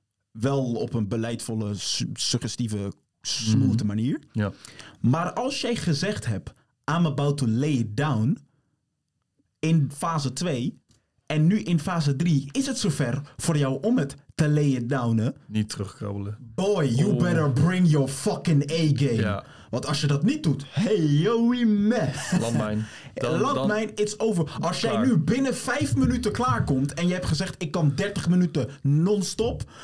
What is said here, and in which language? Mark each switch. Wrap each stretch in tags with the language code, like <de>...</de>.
<nl>Wel op een beleidvolle, suggestieve, smooth manier. Ja. Maar als jij gezegd hebt,</nl> <en>I'm about to lay it down,</en> <nl>in fase 2, en nu in fase 3, is het zover voor jou om het te lay it downen. Niet terugkrabbelen.</nl> <en>Boy, you better bring your fucking A-game.</en> <nl>Ja. Want als je dat niet doet,</nl> <en>hey, yo, we mess.</en> <nl>Landmijn,</nl> <en>it's over.</en> <nl>Als jij nu binnen 5 minuten klaarkomt en je hebt gezegd, ik kan 30 minuten non-stop.</nl>